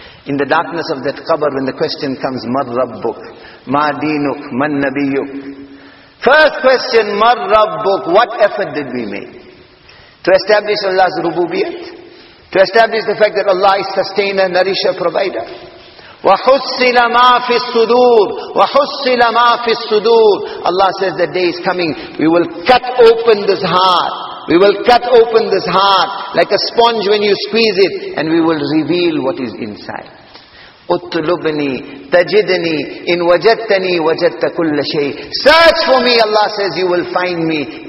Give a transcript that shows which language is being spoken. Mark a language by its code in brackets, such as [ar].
[en] In the darkness of that qabr, when the question comes, [ar] Mar Rabbuk, Ma Deenuk, Man Nabiyuk. [en] First question, Mar Rabbuk, what effort did we make? To establish Allah's rububiyat? To establish the fact that Allah is sustainer, nourisher, provider? [ar] وَحُسِّلَ مَا فِي الصُّدُورِ وَحُسِّلَ مَا فِي الصُّدُورِ [en] Allah says that day is coming. We will cut open this heart. We will cut open this heart like a sponge when you squeeze it, and we will reveal what is inside. [ar] أُطْلُبْنِي تَجِدْنِي إِن وَجَدْتَنِي وَجَدْتَ كُلَّ شَيْءٍ [en] Search for me, Allah says, you will find me.